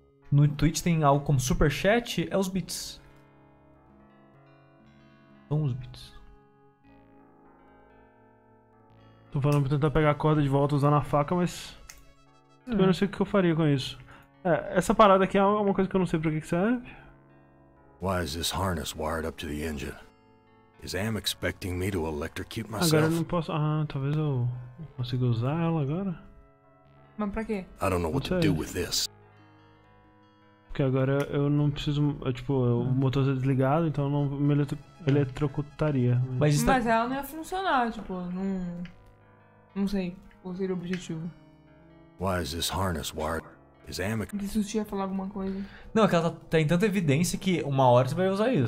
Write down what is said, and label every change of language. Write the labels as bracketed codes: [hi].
[pt] No Twitch tem algo como Super Chat, é os bits. São os bits. Tô falando pra tentar pegar a corda de volta usando a faca, mas... Eu não sei o que eu faria com isso. É, essa parada aqui é uma coisa que eu não sei pra que serve. [en] Why is this harness wired up to the engine? Is Am expecting me to electrocute myself? [pt] Agora eu não posso... Ah, talvez eu consiga usar ela agora? Mas pra quê? [en] I don't know what to do with this. [pt] Porque agora eu não preciso... Tipo, o motor está desligado, então eu não me eletrocutaria. Mas ela não ia funcionar, tipo, não... Não sei qual seria o objetivo. [en] Why is this harness wired? Is Amic? [pt] Isso tinha falar alguma coisa. Não, é que ela tem tanta evidência que uma hora você vai usar isso.